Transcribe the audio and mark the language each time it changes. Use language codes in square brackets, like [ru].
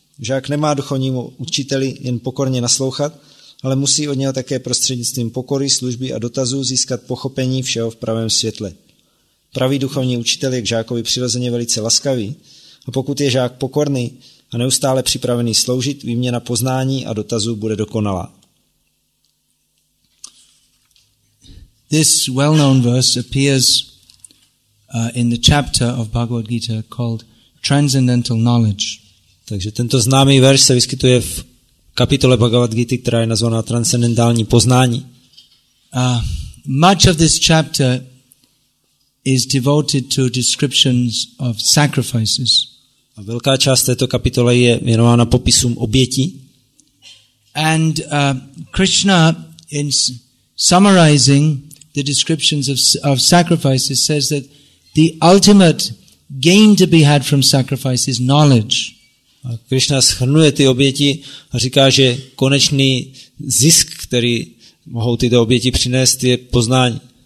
[cs] Žák nemá duchovnímu učiteli jen pokorně naslouchat, ale musí od něho také prostřednictvím pokory, služby a dotazů získat pochopení všeho v pravém světle. Pravý duchovní učitel je k žákovi přirozeně velice laskavý a pokud je žák pokorný a neustále připravený sloužit, výměna poznání a dotazů bude dokonalá. [en] This well-known verse appears in the chapter of Bhagavad Gita called Transcendental Knowledge. [cs] Takže tento známý verš se vyskytuje v kapitole Bhagavad Gita, která je nazvaná Transcendentální poznání. [en] Much of this chapter is devoted to descriptions of sacrifices. [cs] A velká část této kapitoly je věnována popisům obětí. [en] And Krishna in summarizing the descriptions of sacrifices says that the ultimate gain to be had from sacrifice is knowledge. [cs] A Krishna shrnuje ty oběti a říká, že konečný zisk, který mohou tyto oběti přinést, je poznání.